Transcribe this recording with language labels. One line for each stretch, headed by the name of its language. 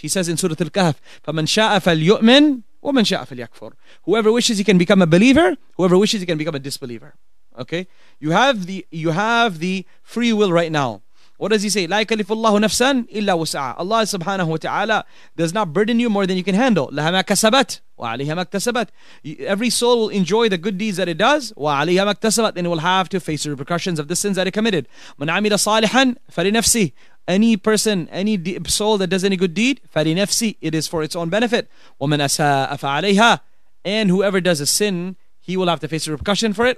English: He says in Surah Al-Kahf,
Arabic: فَمَنْ شَاءَ فَلْيُؤْمِنْ وَمَنْ شَاءَ فَلْيَكْفُرْ,
English: whoever wishes he can become a believer, whoever wishes he can become a disbeliever. Okay, you have the free will right now. What does he say?
Arabic: لا يكلف الله نفسا إلا وسعا.
English: Allah subhanahu wa ta'ala does not burden you more than you can handle.
Arabic: لها ما كسبت وعليها ما اكتسبت.
English: Every soul will enjoy the good deeds that it does.
Arabic: وعليها ما اكتسبت.
English: And it will have to face the repercussions of the sins that it committed.
Arabic: من عمل صالحا فلنفسه.
English: Any person, any soul that does any good deed,
Arabic: فلنفسه.
English: It is for its own benefit.
Arabic: ومن أساء فعليها.
English: And whoever does a sin, he will have to face the repercussion for it.